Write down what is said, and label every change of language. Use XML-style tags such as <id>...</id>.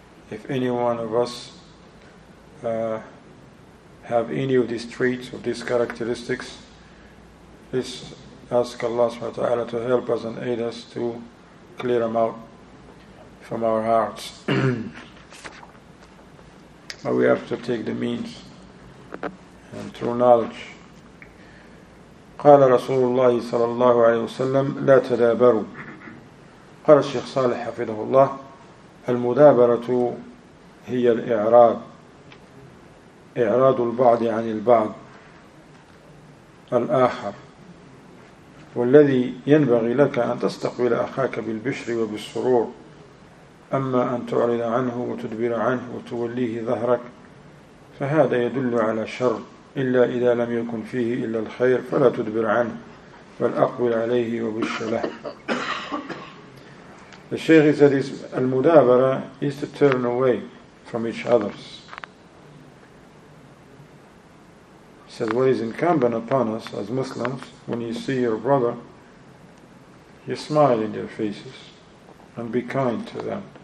<en>If any one of us have any of these traits, of these characteristics, Let's ask Allah subhanahu wa ta'ala to help us and aid us to clear them out from our hearts. But we have to take the means and through knowledge.</en> <ar>قال رسول الله صلى الله عليه وسلم لا تدابروا. قال الشيخ صالح حفظه الله المدابرة هي الإعراض, إعراض البعض عن البعض الآخر. والذي ينبغي لك أن تستقبل أخاك بالبشر وبالسرور, أما أن تعرض عنه وتدبر عنه وتوليه ظهرك فهذا يدل على شر, إلا إذا لم يكن فيه إلا الخير فلا تدبر عنه بل أقبل عليه وبش له.</ar> <en>الشيخ said المدابرة is to turn away from each other. He says what is incumbent upon us as Muslims, when you see your brother, you smile in their faces and be kind to them.</en>